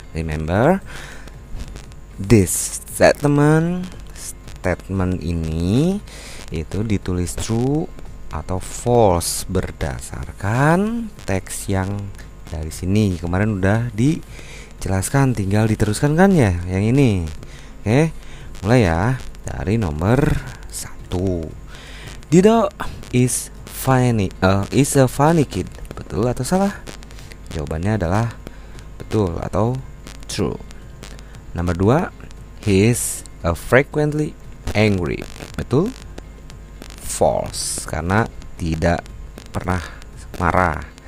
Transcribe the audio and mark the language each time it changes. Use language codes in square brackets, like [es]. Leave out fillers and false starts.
[en] Remember, this statement [id] ini itu ditulis true atau false berdasarkan teks yang dari sini. Kemarin udah dijelaskan, tinggal diteruskan kan ya yang ini. Oke, mulai ya dari nomor 1. [en] Dido is funny, is a funny kid. [id] Betul atau salah? Jawabannya adalah betul atau true. Nomor 2, [en] he is a frequently angry. [id] Betul? False, karena tidak pernah marah.